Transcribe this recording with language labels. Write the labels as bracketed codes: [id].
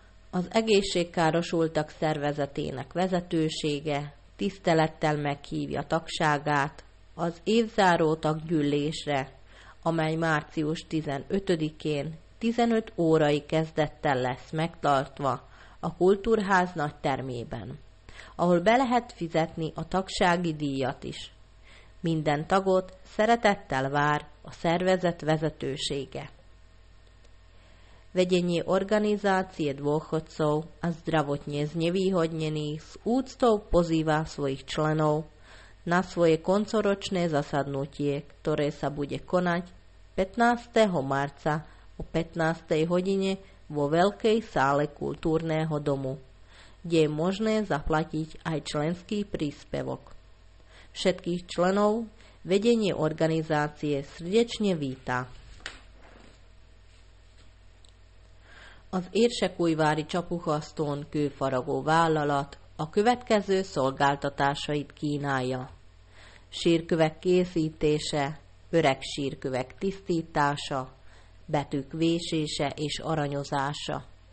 [hu] Az egészségkárosultak szervezetének vezetősége tisztelettel meghívja tagságát az évzáró taggyűlésre, amely március 15-én 15 órai kezdettel lesz megtartva a Kultúrház nagy termében, ahol be lehet fizetni a tagsági díjat is. Minden tagot szeretettel vár a szervezet vezetősége. [sk] Vedenie organizácie dôchodcov a zdravotne znevýhodnených s úctou pozýva svojich členov na svoje koncoročné zasadnutie, ktoré sa bude konať 15. marca o 15. hodine vo Veľkej sále Kultúrneho domu, kde je možné zaplatiť aj členský príspevok. Všetkých členov vedenie organizácie srdečne víta. [hu] Az érsekújvári Csapuhasztón kőfaragó vállalat a következő szolgáltatásait kínálja. Sírkövek készítése, öreg sírkövek tisztítása, betűk vésése és aranyozása.